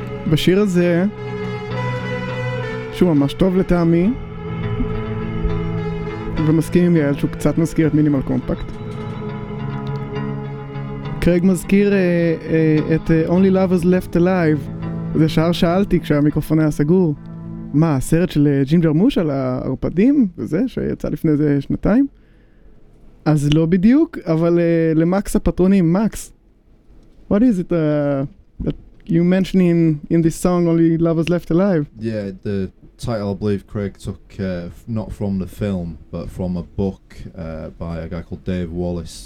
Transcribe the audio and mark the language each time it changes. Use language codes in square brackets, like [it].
[he] בשיר הזה, שהוא ממש טוב לטעמי, ומסכים עם יעל שהוא קצת מזכיר את מינימל קומפקט. קרייג מזכיר את Only Lovers Left Alive. זה שער שאלתי כשהמיקרופון היה סגור, מה, הסרט של ג'ים ג'רמוש על הערפדים וזה, שיצא לפני זה שנתיים? אז לא בדיוק, אבל למקס הפטרונים, [en] מקס, what is it that you mentioning in this song, Only Lovers Left Alive? Yeah, the title, I believe, Craig took not from the film, but from a book by a guy called Dave Wallace.